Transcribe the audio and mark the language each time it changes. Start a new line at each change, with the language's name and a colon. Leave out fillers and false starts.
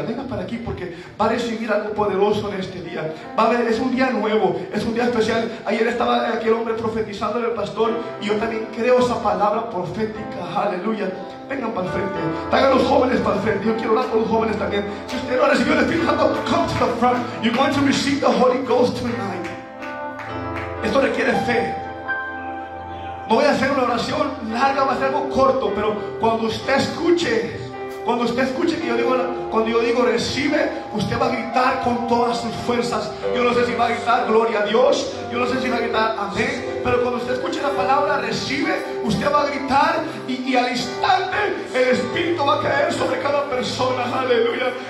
Spanish: Venga para aquí porque va a recibir algo poderoso en este día. Va a ver, es un día nuevo. Es un día especial. Ayer estaba aquel hombre profetizando en el pastor. Y yo también creo esa palabra profética. Aleluya. Vengan para el frente. Traigan los jóvenes para el frente. Yo quiero orar con los jóvenes también. Si usted no ha recibido el Espíritu Santo,
English: come to the front. You're going to receive the Holy Ghost tonight.
Spanish: Esto requiere fe. No voy a hacer una oración larga, va a ser algo corto. Pero cuando usted escuche Cuando usted escuche que yo digo, cuando yo digo recibe, usted va a gritar con todas sus fuerzas. Yo no sé si va a gritar gloria a Dios, yo no sé si va a gritar amén, pero cuando usted escuche la palabra recibe, usted va a gritar y al instante el Espíritu va a caer sobre cada persona. Aleluya.